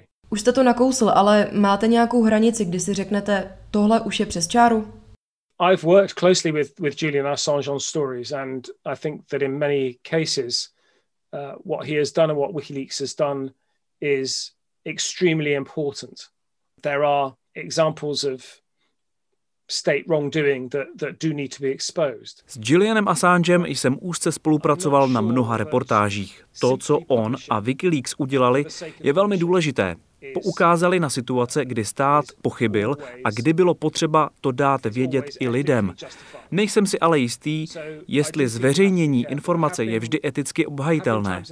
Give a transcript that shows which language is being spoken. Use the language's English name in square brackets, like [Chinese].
[Czech] Už jste to nakousl, ale máte nějakou hranici, kdy si řeknete, tohle už je přes čáru? [English] I've worked closely with Julian Assange on stories, and I think that in many cases, what he has done and what WikiLeaks has done is extremely important. There are examples of state wrongdoing that do need to be exposed. [Czech] S Julianem Assangem jsem úzce spolupracoval na mnoha reportážích. To, co on a WikiLeaks udělali, je velmi důležité. Poukázali na situace, kdy stát pochybil a kdy bylo potřeba to dát vědět i lidem. Nejsem si ale jistý, jestli zveřejnění informace je vždy eticky obhajitelné.